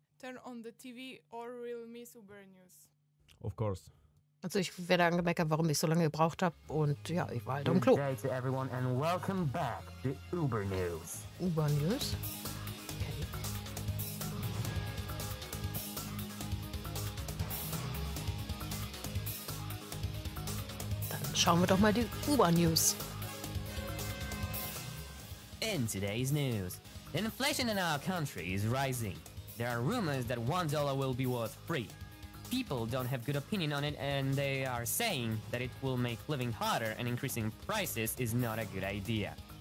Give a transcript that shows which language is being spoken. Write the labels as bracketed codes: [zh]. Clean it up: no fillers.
[en] Turn on the TV or we'll miss Uber News. Of course. [de] Also ich werde angemeckert, warum ich so lange gebraucht habe und ja, ich war halt am [en] Good [de] Klo. [en] day to everyone and welcome back to Uber News. Uber News? [de] Dann schauen wir doch mal die Uber News. [en] In today's news, inflation in our country is rising. There are rumors that $1 will be worth $3. People don't have good opinion on it and they are saying that it will make living harder and increasing prices is not a good idea.